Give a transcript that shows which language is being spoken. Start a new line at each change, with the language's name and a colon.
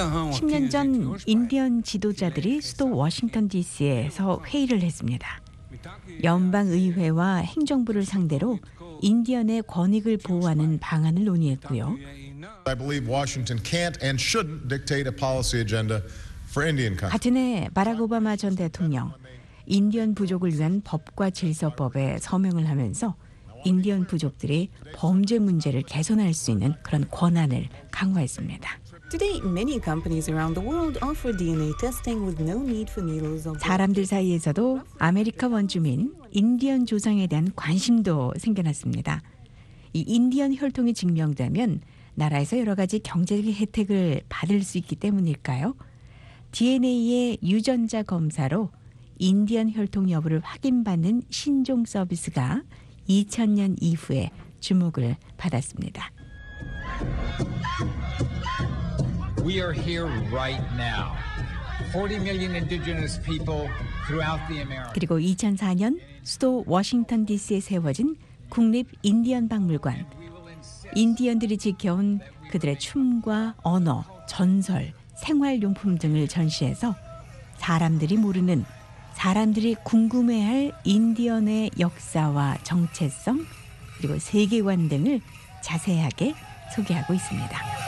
Korean: 10년 전 인디언 지도자들이 수도 워싱턴 DC에서 회의를 했습니다. 연방의회와 행정부를 상대로 인디언의 권익을 보호하는 방안을 논의했고요.
English: I believe Washington can't and shouldn't dictate a policy agenda for Indian country.
Korean: 같은 해 바락 오바마 전 대통령 인디언 부족을 위한 법과 질서법에 서명을 하면서 인디언 부족들이 범죄 문제를 개선할 수 있는 그런 권한을 강화했습니다.
English: Today many companies around the world offer DNA testing with no need for needles.
Korean: 사람들 사이에서도 아메리카 원주민 인디언 조상에 대한 관심도 생겨났습니다. 이 인디언 혈통이 증명되면 나라에서 여러 가지 경제적인 혜택을 받을 수 있기 때문일까요? DNA의 유전자 검사로 인디언 혈통 여부를 확인받는 신종 서비스가 2000년 이후에 주목을 받았습니다.
English: We are here right now. 40 million indigenous people throughout the Americas.
Korean: 그리고 2004년 수도 워싱턴 DC에 세워진 국립 인디언 박물관. 인디언들이 지켜온 그들의 춤과 언어, 전설, 생활용품 등을 전시해서 사람들이 모르는 사람들이 궁금해할 인디언의 역사와 정체성 그리고 세계관 등을 자세하게 소개하고 있습니다.